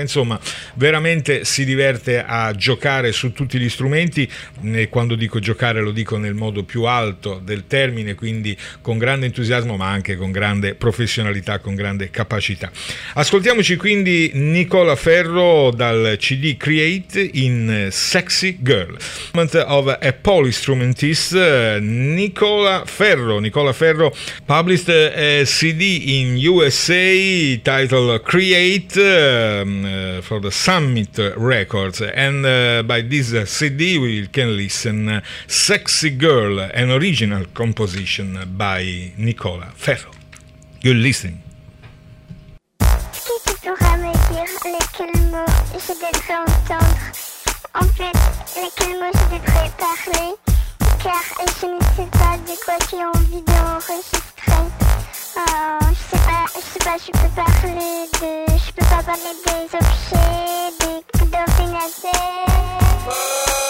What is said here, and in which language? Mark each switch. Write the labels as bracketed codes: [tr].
[it] Insomma, veramente si diverte a giocare su tutti gli strumenti, e quando dico giocare lo dico nel modo più alto del termine, quindi con grande entusiasmo ma anche con grande professionalità, con grande capacità. Ascoltiamoci quindi Nicola Ferro dal CD Create in Sexy Girl. [en] Moment of a polystrumentist, Nicola Ferro. Nicola Ferro published a CD in USA titled Create for the Summit Records, and by this CD we can listen Sexy Girl, an original composition by Nicola Ferro. Good listening. [fr] Qui tu pourras me dire lesquels mots je devrais entendre? En fait, lesquels mots je devrais parler, car je ne sais pas de quoi tu as envie d'enregistrer. Je sais pas, je peux pas parler des objets, des coups d'ordinateur.